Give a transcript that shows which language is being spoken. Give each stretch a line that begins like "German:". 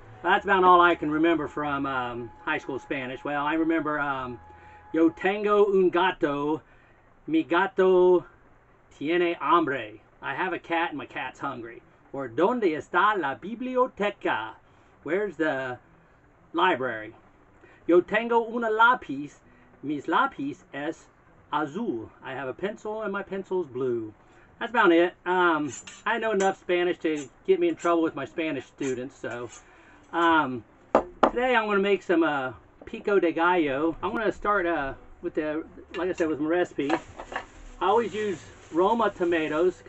English: That's about all I can remember from high school Spanish. Well, I remember,
Spanish: yo tengo un gato, mi gato tiene hambre.
English: I have a cat and my cat's hungry. Or,
Spanish: ¿dónde está la biblioteca?
English: Where's the library?
Spanish: Yo tengo una lápiz, mis lápiz es azul.
English: I have a pencil and my pencil's blue. That's about it. I know enough Spanish to get me in trouble with my Spanish students, so. Today I'm going to make some pico de gallo. I'm going to start with my recipe. I always use Roma tomatoes.